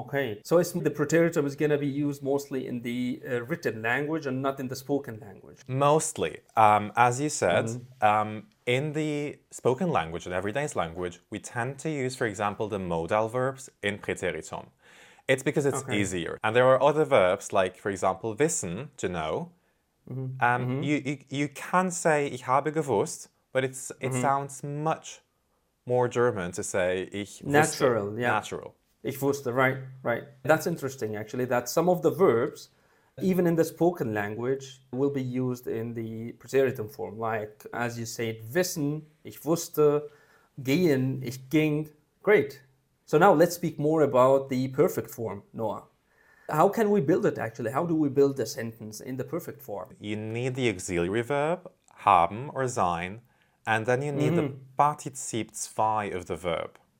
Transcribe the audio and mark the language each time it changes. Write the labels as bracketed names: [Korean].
[English] Okay, so the preteritum is going to be used mostly in the written language and not in the spoken language? Mostly. As you said, mm-hmm. In the spoken language, in everyday's language, we tend to use, for example, the modal verbs in preteritum. It's because it's okay. easier. And there are other verbs, like, for example, wissen, to know. Mm-hmm. You can say [German] ich habe gewusst, [English] but it mm-hmm. sounds much more German to say [German] ich wusste. [English] Natural, yeah. Natural. [German] Ich wusste, [English] right. That's interesting, actually, that some of the verbs, even in the spoken language, will be used in the preteritum form. Like, as you say, wissen, [German] ich wusste, [English] gehen, [German] ich ging. [English] Great. So now let's speak more about the perfect form, Noah. How can we build it, actually? How do we build a sentence in the perfect form? You need the auxiliary verb, haben or sein, and then you need mm-hmm. the Partizip 2 of the verb.